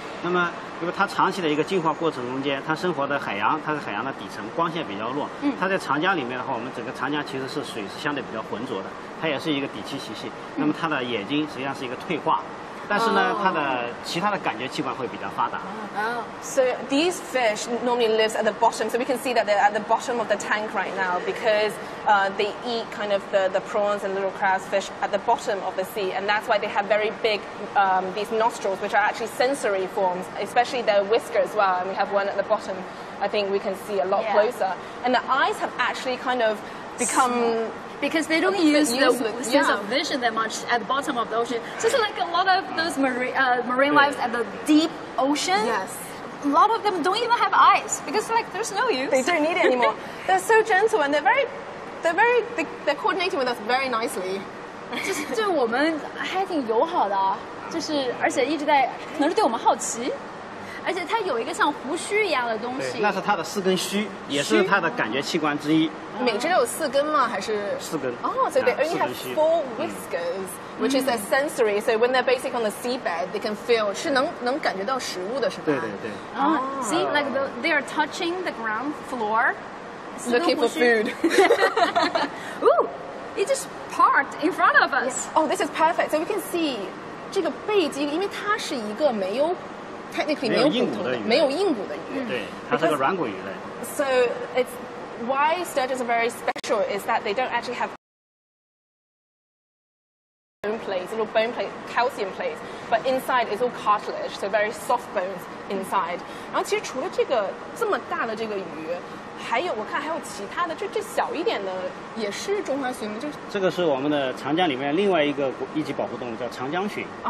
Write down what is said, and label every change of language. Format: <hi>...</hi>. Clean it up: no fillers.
<zh>那么，因为它长期的一个进化过程中间，它生活的海洋，它是海洋的底层，光线比较弱。它在长江里面的话，我们整个长江其实是水是相对比较浑浊的，它也是一个底栖习性。那么它的眼睛实际上是一个退化。但是呢，它的其他的感觉器官会比较发达。</zh> <en>So these fish normally lives at the bottom, so we can see that they're at the bottom of the tank right now because they eat kind of the prawns and little crabs fish at the bottom of the sea, and that's why they have very big these nostrils, which are actually sensory forms, especially their whisker as well. And we have one at the bottom. I think we can see a lot closer. And the eyes have actually kind of become. Because they don't use the sense of vision that much at the bottom of the ocean. Just like a lot of those marine lives at the deep ocean. Yes. A lot of them don't even have eyes because like there's no use. They don't need it anymore. They're so gentle and they're coordinating with us very nicely.</en> <zh>就是对我们还挺友好的，就是而且一直在，可能是对我们好奇。而且它有一个像胡须一样的东西，那是它的四根须，也是它的感觉器官之一。每只有四根吗？还是四根？哦，所以</zh> <en>they only have four whiskers, which is a sensory. So when they're basically on the seabed, they can feel</en> <zh>是能感觉到食物的，是吧？对对对。</zh> <en>See, like they are touching the ground floor, looking for food. Ooh, it just parked in front of us. Oh, this is perfect. So we can see</en> <zh>这个背鳍，因为它是一个没有。 Technically, 没有硬骨的鱼。对，它是个软骨鱼类。</zh> <en>So it's why sturgeons are very special is that they don't actually have bone plates, little bone plate, calcium plates, but inside is all cartilage, so very soft bones inside.</en> <zh>然后其实除了这个这么大的这个鱼，还有我看还有其他的，这小一点的也是中华鲟吗？就是这个是我们的长江里面另外一个一级保护动物，叫长江鲟。</zh>